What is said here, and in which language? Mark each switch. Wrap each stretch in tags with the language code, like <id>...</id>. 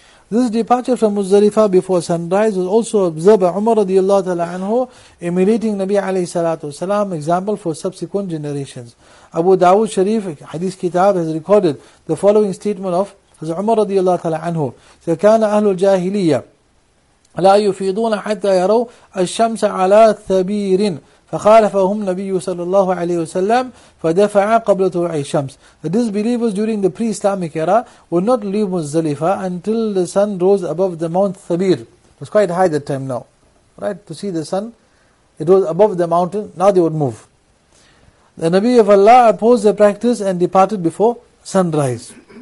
<en>This departure from Muzdalifa before sunrise was also observed by Umar radiallahu ta'ala anhu, emulating Nabi alayhi salatu wasalam, example for subsequent generations. Abu Dawud Sharif, Hadith Kitab, has recorded the following statement of Umar radiallahu ta'ala anhu.</en> <ar>كان أهل الجاهلية لا يفيضون حتى يروا الشمس على ثبير فخالفهم نبي صلى الله عليه وسلم فدفع قبل طلوع الشمس.</ar> <en>The disbelievers during the pre-Islamic era would not leave Muzdalifa until the sun rose above the Mount Thabir. It was quite high that time now, right? To see the sun, it was above the mountain. Now they would move. The Nabi of Allah opposed the practice and departed before sunrise.</en>